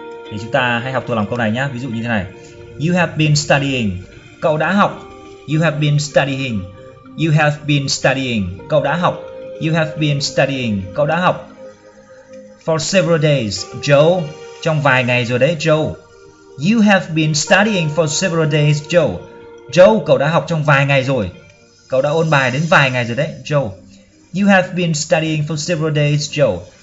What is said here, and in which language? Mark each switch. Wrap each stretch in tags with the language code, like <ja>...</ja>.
<vi>Thì chúng ta hãy học thuộc lòng câu này nhé. Ví dụ như thế này.</vi> <en>You have been studying.</en> <vi>Cậu đã học.</vi> <en>You have been studying. You have been studying.</en> <vi>Cậu đã học.</vi> <en>You have been studying.</en> <vi>Cậu đã học.</vi> <en>For several days, Joe.</en> <vi>Trong vài ngày rồi đấy, Joe.</vi> <en>You have been studying for several days, Joe.</en> <vi>Joe, cậu đã học trong vài ngày rồi. Cậu đã ôn bài đến vài ngày rồi đấy, Joe.</vi> <en>You have been studying for several days, Joe.</en>